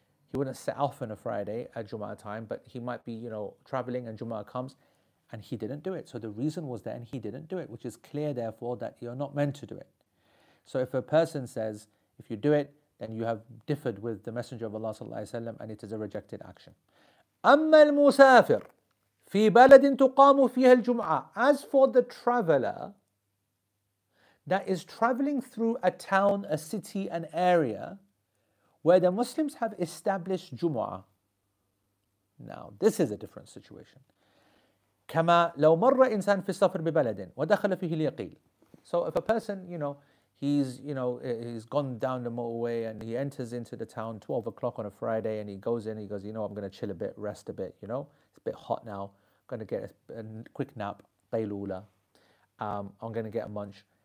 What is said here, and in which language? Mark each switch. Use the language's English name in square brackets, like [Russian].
[English] He wouldn't set off on a Friday at Jum'ah time, but he might be, you know, traveling and Jum'ah comes, and he didn't do it. So the reason was there and he didn't do it, which is clear, therefore, that you're not meant to do it. So if a person says, if you do it, then you have differed with the Messenger of Allah sallallahu alaihi wasallam, and it is a rejected action. [Arabic] أما المسافر في بلد تقام فيها الجمعة. [English] As for the traveler that is traveling through a town, a city, an area where the Muslims have established Jum'ah. Now this is a different situation. [Arabic] كما لو مر إنسان في السفر ببلد ودخل فيه اليقيل. [English] So if a person, you know, he's gone down the motorway and he enters into the town 12 o'clock on a Friday and he goes in and he goes, you know, I'm going to chill a bit, rest a bit, you know, it's a bit hot now, I'm going to get a quick nap, qailula, I'm going to get a munch.